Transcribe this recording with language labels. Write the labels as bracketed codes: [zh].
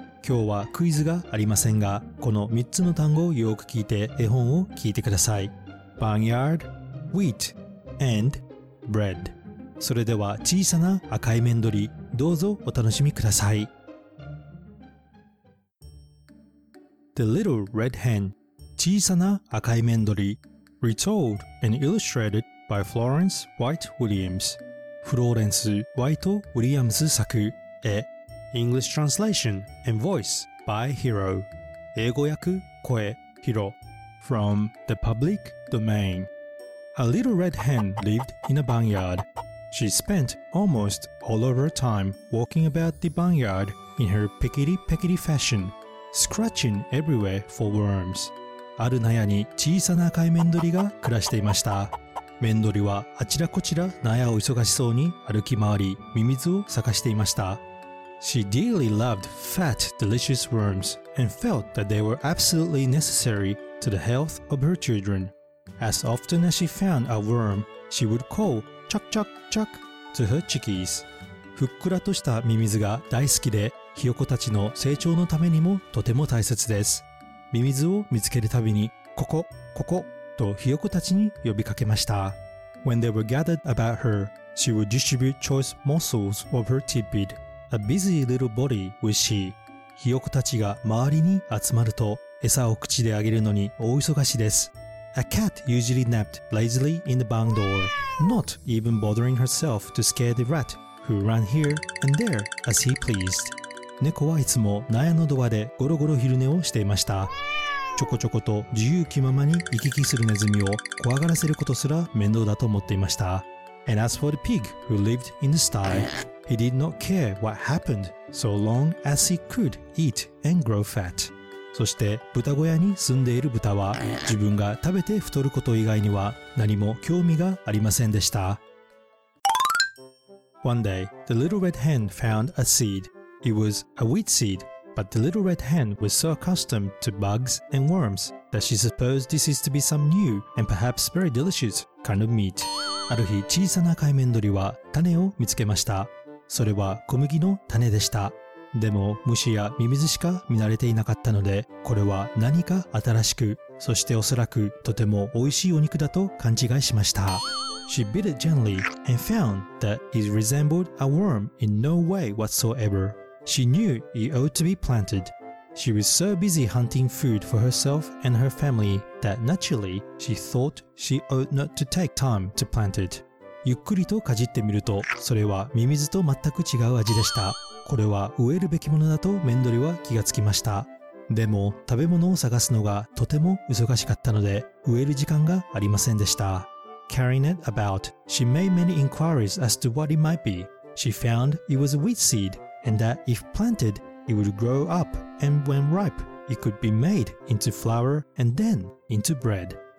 [ja] 今日はクイズがありませんが、この3つの単語をよく聞いて絵本を聞いてください。 [en] Barnyard、 Wheat、 and、 Bread。 [ja] それでは小さな赤い麺鳥、どうぞお楽しみください。 [en] The Little Red Hen、 [ja] 小さな赤い麺鳥。 [en] Retold and illustrated by Florence White Williams。フローレンス・ワイト・ウィリアムズ [ja] 作、絵、 [en] English translation and voice by Hiro、 [ja] 英語訳、声、 [en] Hiro、 from the public domain。 A little red hen lived in a barnyard. She spent almost all of her time walking about the barnyard in her pickety-pickety fashion, scratching everywhere for worms. [ja] ある納屋に小さな赤いメンドリが暮らしていました。メンドリはあちらこちら納屋を忙しそうに歩き回り、ミミズを探していました。 [en] She dearly loved fat, delicious worms and felt that they were absolutely necessary to the health of her children. As often as she found a worm, she would call chuck chuck chuck to her chickies. [ja] ふっくらとしたミミズが大好きで、ひよこたちの成長のためにもとても大切です。ミミズを見つけるたびに、ここ、こことひよこたちに呼びかけました。 [en] When they were gathered about her, she would distribute choice morsels of her tidbit. A busy little body was she. [ja] ひよこたちが周りに集まると、餌を口であげるのに大忙しです。 [en] A cat usually napped lazily in the barn door, not even bothering herself to scare the rat who ran here and there as he pleased. [ja] 猫はいつも納屋のドアでゴロゴロ昼寝をしていました。ちょこちょこと自由気ままに行き来するネズミを怖がらせることすら面倒だと思っていました。 [en] And as for the pig who lived in the sty, he did not care what happened so long as he could eat and grow fat. [ja] そして豚小屋に住んでいる豚は自分が食べて太ること以外には何も興味がありませんでした。 [en] One day, the little red hen found a seed. It was a wheat seed, but the little red hen was so accustomed to bugs and worms that she supposed this is to be some new and perhaps very delicious kind of meat. [ja] ある日、小さな赤いメンドリは種を見つけました。それは小麦の種でした。でも虫やミミズしか見慣れていなかったので、これは何か新しく、そしておそらくとても美味しいお肉だと勘違いしました。 [en] She bit it gently and found that it resembled a worm in no way whatsoever. She knew it ought to be planted. She was so busy hunting food for herself and her family. That naturally, she thought she ought not to take time to plant it. [ja] ゆっくりとかじってみると、それはミミズと全く違う味でした。これは植えるべきものだとメンドリは気がつきました。でも食べ物を探すのがとても忙しかったので、植える時間がありませんでした。 [en] Carrying it about, she made many inquiries as to what it might be. She found it was a wheat seed, and that if planted, it would grow up, and when ripeIt could be made into flour and then into bread.